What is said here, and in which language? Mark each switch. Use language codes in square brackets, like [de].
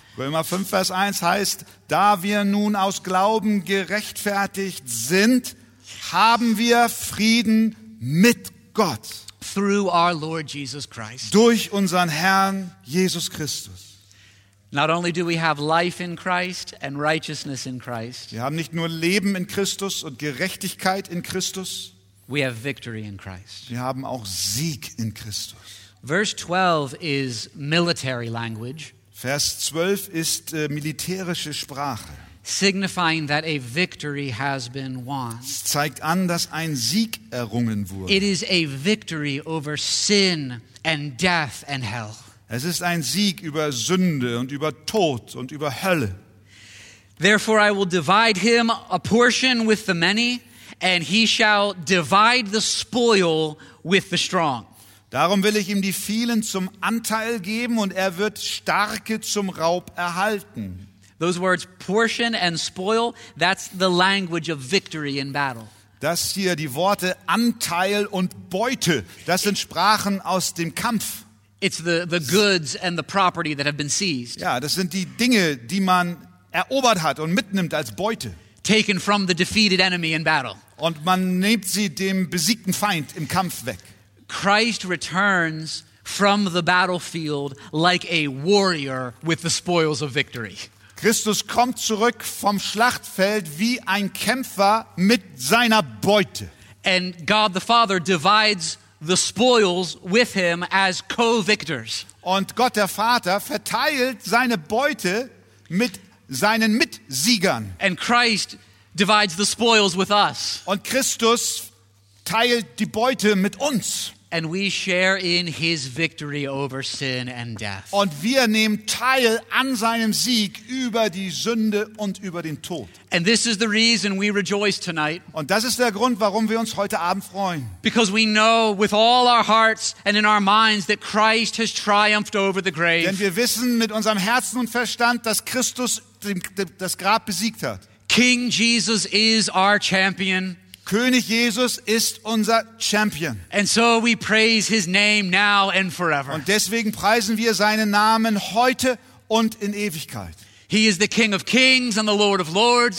[de] Römer 5, Vers 1 heißt, da wir nun aus Glauben gerechtfertigt sind, haben wir Frieden mit Gott. [en] Through our Lord Jesus Christ. [de] Durch unseren Herrn Jesus Christus. [en] Not only do we have life in Christ and righteousness in Christ. [de] Wir haben nicht nur Leben in Christus und Gerechtigkeit in Christus. [en] We have victory in Christ. [de] Wir haben auch Sieg in Christus. [en] Verse 12 is military language. [de] Vers 12 ist militärische Sprache. [en] Signifying that a victory has been won. [de] Es zeigt an, dass ein Sieg errungen wurde. [en] It is a victory over sin and death and hell. [de] Es ist ein Sieg über Sünde und über Tod und über Hölle. [en] Therefore I will divide him a portion with the many, and he shall divide the spoil with the strong. [de] Darum will ich ihm die vielen zum Anteil geben, und er wird Starke zum Raub erhalten. [en] Those words portion and spoil, that's the language of victory in battle. [de] Das hier, die Worte Anteil und Beute, das sind Sprachen aus dem Kampf. [en] It's the goods and the property that have been seized. [de] Ja, das sind die Dinge, die man erobert hat und mitnimmt als Beute. [en] Taken from the defeated enemy in battle. [de] Und man nimmt sie dem besiegten Feind im Kampf weg. [en] Christ returns from the battlefield like a warrior with the spoils of victory. [de] Christus kommt zurück vom Schlachtfeld wie ein Kämpfer mit seiner Beute. [en] And God the Father divides the spoils with him as co-victors. [de] Und Gott der Vater verteilt seine Beute mit seinen Mitsiegern. [en] And Christ divides the spoils with us. [de] Und Christus teilt die Beute mit uns. [en] And we share in his victory over sin and death. [de] Und wir nehmen teil an seinem Sieg über die Sünde und über den Tod. [en] And this is the reason we rejoice tonight. [de] Und das ist der Grund, warum wir uns heute Abend freuen. [en] Because we know with all our hearts and in our minds that Christ has triumphed over the grave. [de] Denn wir wissen mit unserem Herzen und Verstand, dass Christus das Grab besiegt hat. [en] King Jesus is our champion. [de] König Jesus ist unser Champion. [en] And so we praise his name now and forever. [de] Und deswegen preisen wir seinen Namen heute und in Ewigkeit. [en] He is the King of Kings and the Lord of Lords.